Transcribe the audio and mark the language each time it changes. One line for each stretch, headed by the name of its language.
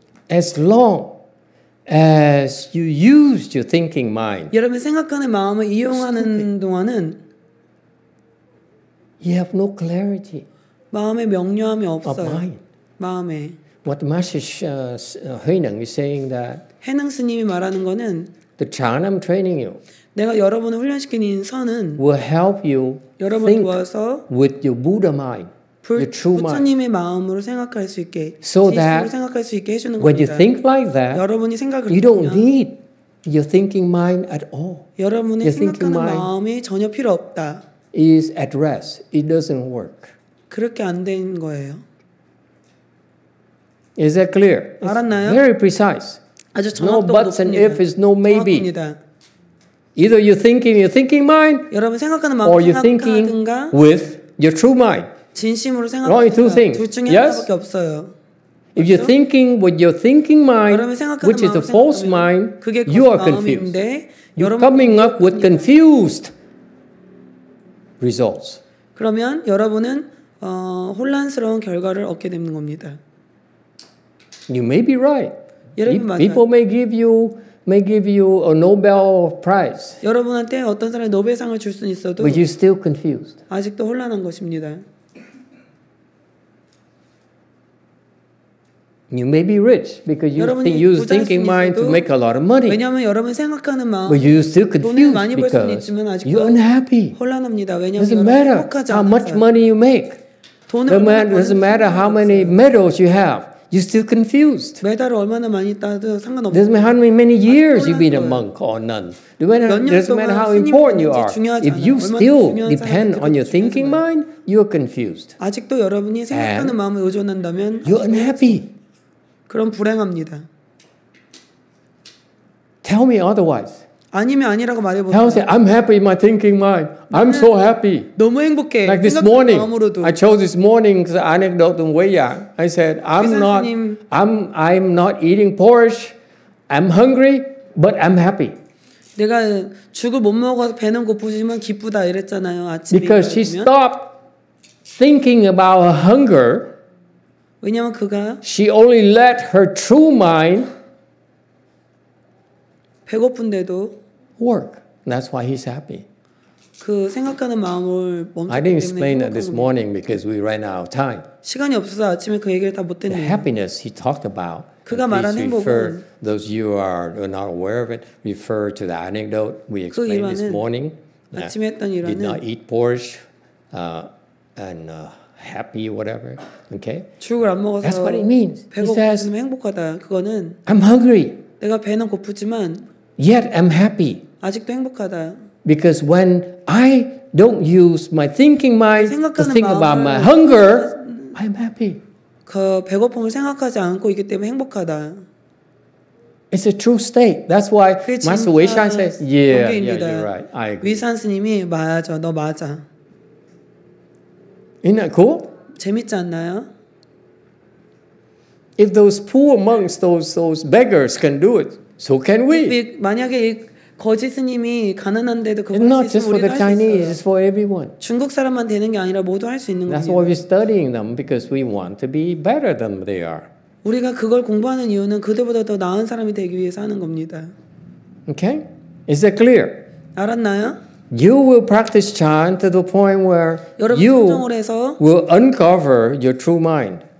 English: As long as you use your thinking mind,
Korean: 여러분 생각하는 마음을 이용하는 동안은
English: you have no clarity.
Korean: 마음의 명료함이 없어요.
English: Of mind.
Korean: 마음에.
English: What Master Huineng is saying that
Korean: 해능 스님이 말하는 거는
English: the chan I'm training you.
Korean: 내가 여러분을 훈련시키는 선은
English: will help you
Korean: 여러분
English: think
Korean: 도와서
English: with your Buddha mind, your true mind.
Korean: 부처님의 마음으로 생각할 수 있게
English: so that
Korean: 생각할 수 있게 해주는
English: when
Korean: 겁니다.
English: You think like that,
Korean: 여러분이 생각을
English: you don't need your thinking mind at all.
Korean: 여러분의 your 생각하는 마음이 전혀 필요 없다.
English: Is at rest. It doesn't work.
Korean: 그렇게 안 된 거예요.
English: Is that clear?
Korean: 알았나요?
English: It's very precise.
Korean: 아주
English: no buts and ifs, no maybe.
Korean: 정확합니다.
English: Either you're thinking mind,
Korean: 여러분 생각하는
English: 마음 or you're thinking with your true mind.
Korean: 진심으로 생각하는
English: two things.
Korean: 둘 중에
English: yes?
Korean: 하나밖에 없어요.
English: If you're thinking with your thinking mind, which is a false mind, you are confused. You're coming up with confused results.
Korean: 그러면 여러분은 혼란스러운 결과를 얻게 되는 겁니다.
English: You may be right.
Korean: 여러분 맞아요.
English: People may give you a Nobel Prize.
Korean: 여러분한테 어떤 사람이 노벨상을 줄 수는 있어도
English: But you're still confused.
Korean: 아직도 혼란한 것입니다.
English: You may be rich because you use thinking mind to make a lot of money.
Korean: 왜냐하면 여러분 생각하는 마음
English: But you're still confused
Korean: 돈을 많이 벌 수는 있지만 아직도
English: you're unhappy.
Korean: 혼란합니다. 왜냐하면
English: Doesn't matter how much money you make. Doesn't matter how many medals you have. You're still confused.
Korean: 매달 얼마나 많이 따도 상관없어요.
English: Doesn't matter how many years you've been a monk or nun. Doesn't matter how important you are. If you still depend on your thinking mind, you're confused.
Korean: 아직도 여러분이 생각하는 마음에 의존한다면
English: you're unhappy.
Korean: 그럼 불행합니다.
English: Tell me otherwise.
Korean: 아니면 아니라고 말해보세요.
English: Tell me, I'm happy in my thinking mind. I'm so happy.
Korean: 너무 행복해.
English: Like this morning, I chose this morning's anecdote in Weiyang. I said, I'm not eating porridge. I'm hungry, but I'm happy.
Korean: 내가 죽을 못 먹어서 배는 고프지만 기쁘다 이랬잖아요 아침에.
English: Because she stopped thinking about her hunger.
Korean: 왜냐면 그가.
English: She only let her true mind.
Korean: 배고픈데도
English: work. That's why he's happy.
Korean: 그 생각하는 마음을 멈추기
English: I didn't explain that this morning because we ran out of time.
Korean: 시간이 없어서 아침에 그 얘기를 다 못 했네요.
English: The happiness he talked about.
Korean: 그가 말한 행복은
English: those you are not aware of it refer to the anecdote we explained this morning.
Korean: 아침에 했던 일은
English: did not eat porridge and happy whatever. Okay?
Korean: 죽을 안 먹어서
English: That's what it means.
Korean: 배고프면 행복하다. 그거는
English: I'm hungry.
Korean: 내가 배는 고프지만
English: yet I'm happy
Korean: 아직도 행복하다
English: because when I don't use my thinking mind to think about my hunger I'm happy
Korean: 그 배고픔을 생각하지 않고 있기 때문에 행복하다
English: It's a true state. That's why Master Wei Shan says, "Yeah, yeah, you're right. I agree."
Korean: 위산 스님이 맞아, 너 맞아.
English: Isn't that cool?
Korean: 재밌지 않나요?
English: If those poor monks, those beggars can do it, so can we.
Korean: 만약에 이 거지 스님이 가난한데도 그걸 할 수 있으면 우리도 할 수 있어요.
English: It's for everyone.
Korean: 중국 사람만 되는 게 아니라 모두 할 수 있는 거예요.
English: That's why we're studying them because we want to be better than they are.
Korean: 우리가 그걸 공부하는 이유는 그들보다 더 나은 사람이 되기 위해서 하는 겁니다.
English: Okay? Is that clear?
Korean: 알았나요?
English: You will practice chan to the point where you will uncover your true mind.